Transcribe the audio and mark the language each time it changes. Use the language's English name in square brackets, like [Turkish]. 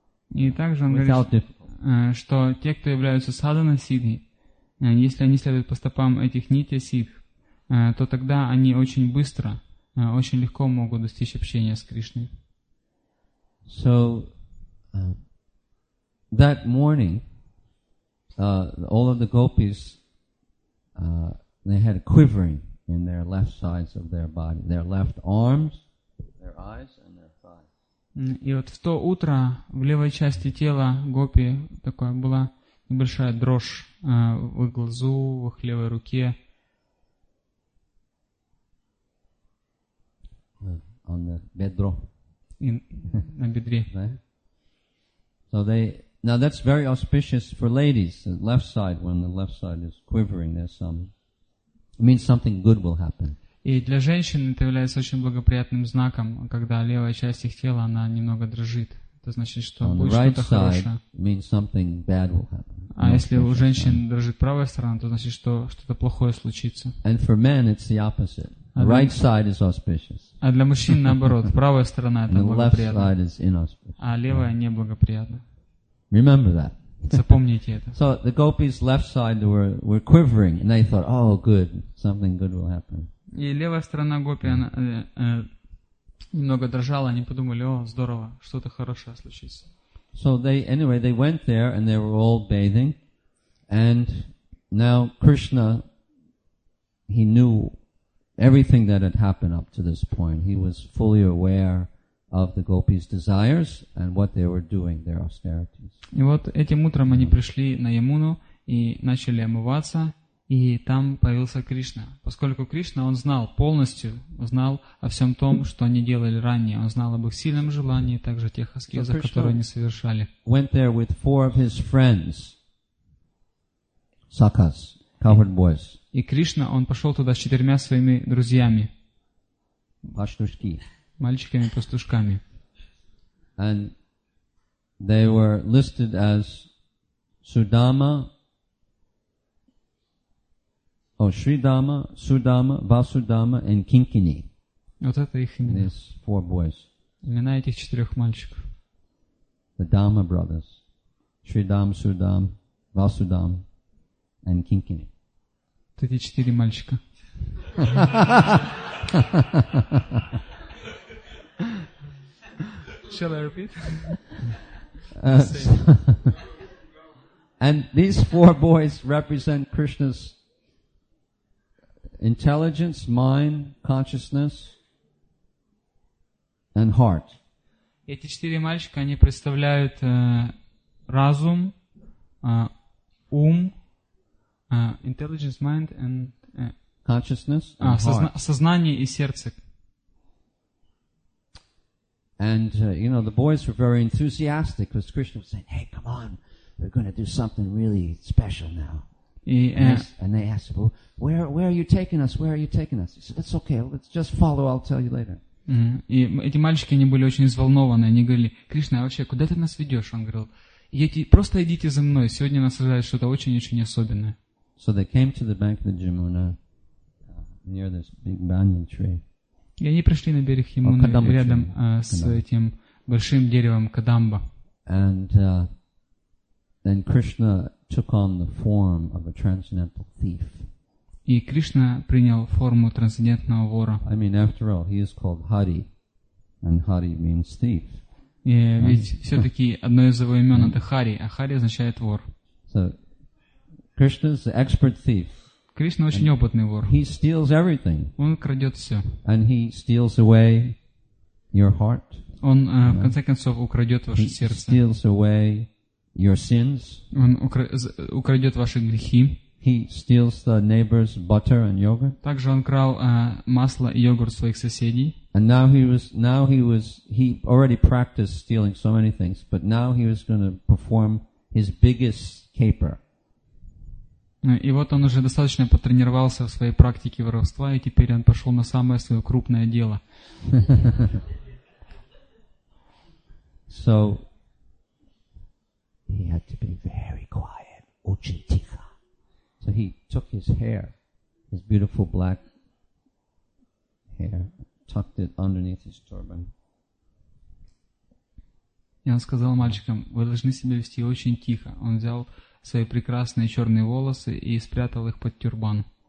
[Russian] И также он говорит, что те, кто являются садхана-сиддхи, если они следуют по стопам этих нитья-сиддх, то тогда они очень быстро, очень легко могут достичь общения с Кришной. [English] So, that morning, all of the gopis, they had a quivering in their left sides of their body, their left arms, their eyes, and their thighs. [Russian] И вот в то утро в левой части тела гопи такая была небольшая дрожь в их глазу, в их левой руке. [English] On the [Russian] bedro. На бедре. [English] Right? So they, now that's very auspicious for ladies, the left side, when the left side is quivering, there's some, it means something good will happen. [Russian] И для женщин это является очень благоприятным знаком, когда левая часть их тела, она немного дрожит. Это значит, что [English] on [Russian] будет [English] right [Russian] что-то хорошее. [English] Means something bad will happen. [Russian] А если у женщин [English] time. [Russian] Дрожит правая сторона, то значит, что что-то плохое случится. [English] And for men it's the opposite. Right side is auspicious. [Russian] А для мужчин наоборот. Правая сторона это благоприятно. [English] The left side is inauspicious. [Russian] А левая неблагоприятна. [English] Remember that. [Russian] Запомните это. [English] So the gopis left side were quivering and they thought, oh good, something good will happen. [Russian] И левая сторона гопи, она немного дрожала, они подумали, о, здорово, что-то хорошее случится. [English] So they, anyway, they went there and they were all bathing. And now Krishna, he knew everything that had happened up to this point. He was fully aware of the gopis' desires and what they were doing, their austerities. [Russian] И вот этим утром они пришли на Ямуну и начали омываться. И там появился Кришна. Поскольку Кришна, он знал полностью, знал о всем том, что они делали ранее. Он знал об их сильном желании, также о тех аскезах, [English] so [Russian] которые они совершали. [English] Went there with four of his friends. Sakas, covered boys. [Russian] И Кришна, он пошел туда с четырьмя своими друзьями. Пастушки. Мальчиками-пастушками. [English] And they were listed as Sudama, or Sridama, Sudama, Vasudama, and Kinkini. [Russian] Вот это их имена. [English] These four boys. [Russian] Имена этих четырех мальчиков. [English] The Dharma brothers. Sridam, Sudam, Vasudam, and Kinkini. [Russian] Вот эти четыре мальчика. [English] Shall I repeat? And these four boys represent Krishna's intelligence, mind, consciousness, and heart. [Russian] Эти четыре мальчика, они представляют разум, ум, [English] intelligence, mind, and consciousness, and heart. [Russian] Сознание и сердце. [English] And, you know, the boys were very enthusiastic because Krishna was saying, hey, come on, we're going to do something really special now. And they asked, well, where are you taking us? Where are you taking us? He said, it's okay, let's just follow, I'll tell you later. [Russian] И эти мальчики, они были очень взволнованы. Они говорили, Кришна, вообще, куда ты нас ведешь? Он говорил, просто идите за мной. Сегодня нас ожидает что-то очень-очень особенное. [English] So they came to the bank of the Jamuna near this big banyan tree. [Russian] И они пришли на берег Ямуны рядом с этим большим деревом Кадамба. [English] And then Krishna took on the form of a transcendental thief. [Russian] И Кришна принял форму трансцендентного вора. [English] I mean, after all, he is called Hari, and Hari means thief. [Russian] И ведь все-таки одно из его имен это Хари, а Хари означает вор. [English] So Krishna is the expert thief. [Russian] Кришна очень [English] and [Russian] опытный вор. [English] He steals everything. [Russian] Он крадет все. [English] And he steals away your heart. [Russian] Он в конце концов украдет ваше [English] he [Russian] сердце. [English] He steals away your sins. [Russian] Он украдет ваши грехи. [English] He steals the neighbor's butter and yogurt. [Russian] Также он крал масло и йогурт своих соседей. [English] And now he already practiced stealing so many things, but now he was going to perform his biggest caper. [Russian] И вот он уже достаточно потренировался в своей практике воровства, и теперь он пошел на самое свое крупное дело. [English] So he had to be very quiet, [Russian] очень тихо. [English] So he took his hair, his beautiful black hair, tucked it underneath his turban. [Russian] И он сказал мальчикам, вы должны себя вести очень тихо. Он взял свои прекрасные черные волосы и спрятал их под тюрбан.